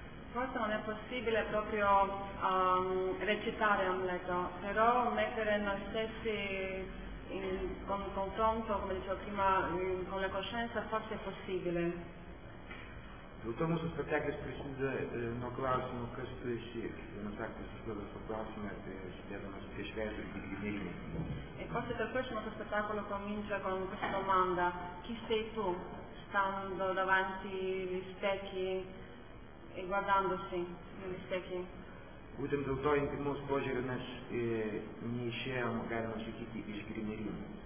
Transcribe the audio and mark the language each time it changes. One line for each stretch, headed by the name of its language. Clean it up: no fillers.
Italian: Forse non è possibile proprio recitare Amleto, però mettere noi stessi con un confronto, come dicevo prima, con la coscienza, forse è possibile.
Lithuanian: Dėl to mūsų spektaklis prasideda nuo klausimo, kas tu esi. Vienas aktorius užduoda savo klausimą, sėdėdamas prieš veidrodį gyvenime.
Italian: E forse per questo nostro spettacolo comincia con questa domanda. Chi sei tu, stando davanti agli specchi? E guardandosi negli specchi.
Lithuanian: Būtent dėl to intimus požiūrį mes neišėjome, galima sakyti, iš grimerino.